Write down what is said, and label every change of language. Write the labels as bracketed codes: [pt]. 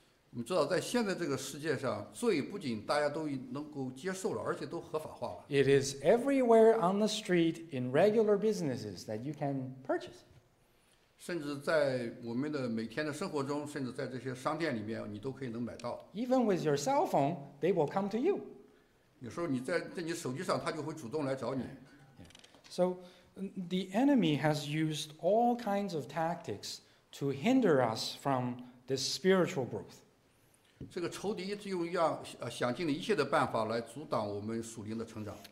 [zh] 我们知道，在现在这个世界上，罪不仅大家都能够接受了，而且都合法化了。 [en] It is everywhere on the street in regular businesses that you can purchase. [zh] 甚至在我们的每天的生活中，甚至在这些商店里面，你都可以能买到。 [en] Even with your cell phone, they will come to you. [zh] 有时候你在你手机上，他就会主动来找你。 [en] So, the enemy has used all kinds of tactics to hinder us from this spiritual growth. [zh] 这个仇敌一直用样想尽了一切的办法来阻挡我们属灵的成长。